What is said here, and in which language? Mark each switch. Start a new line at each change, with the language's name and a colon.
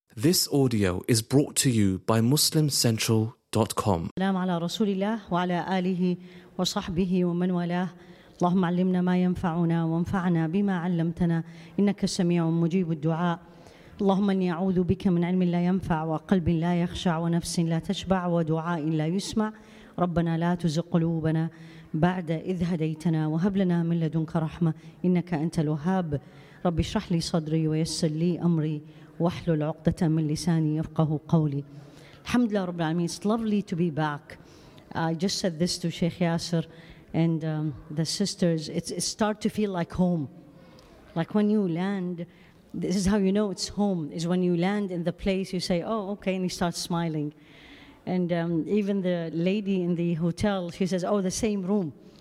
English: This audio is brought to you by MuslimCentral.com.
Arabic: السلام على رسول الله وعلى آله وصحبه ومن والاه. اللهم علمنا ما ينفعنا وانفعنا بما علمتنا إنك سميع مجيب الدعاء. اللهم إني أعوذ بك من علم لا ينفع وقلب لا يخشع ونفس لا تشبع ودعاء لا يسمع. ربنا لا تزغ قلوبنا بعد إذ هديتنا وهب لنا من لدنك رحمة إنك أنت الوهاب. رب اشرح لي صدري ويسر لي أمري واحلل عقدة من لساني يفقه قولي. الحمد لله رب العالمين.
English: It's lovely to be back. I just said this to Sheikh Yasser and the sisters. It start to feel like home. Like when you land, this is how you know it's home, is when you land in the place, you say, oh, okay, and you start smiling. And even the lady in the hotel, she says, oh, the same room.